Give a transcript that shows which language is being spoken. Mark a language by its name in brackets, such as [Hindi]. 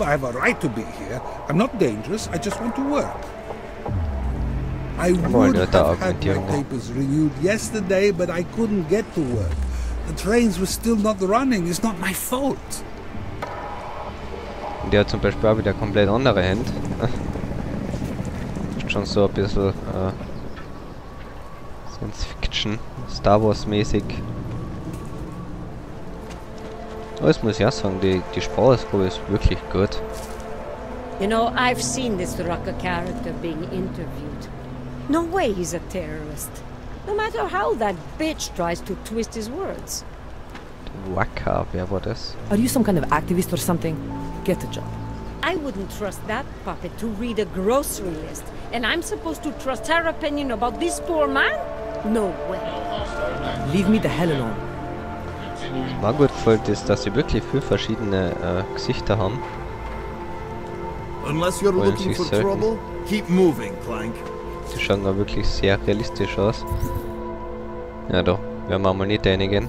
[English] I have a right to be here. I'm not dangerous. I just want to work. I would have had my papers renewed yesterday, but I couldn't get to work. The trains were still not running. It's not my fault. [German] Der hat zum Beispiel auch wieder komplett andere Hände. Schon so ein bisschen Science Fiction, Star Wars mäßig. Oh, jetzt muss ich auch sagen, die Sprachausgabe ist wirklich gut. [English] You know, I've seen this Rucker character being interviewed. No way he's a terrorist. No matter how that bitch tries to twist his words. [German] Rucker, wer war das? [English] Are you some kind of activist or something? Get a job. I wouldn't trust that puppet to read a grocery list. And I'm supposed to trust her opinion about this poor man? No way. Leave me the hell alone. [German] Was mir gut gefällt ist, dass sie wirklich viele verschiedene Gesichter haben. [English] Unless you're looking for trouble, keep moving, Clank. [German] Die schauen da wirklich sehr realistisch aus. Ja doch, werden wir mal nicht einigen.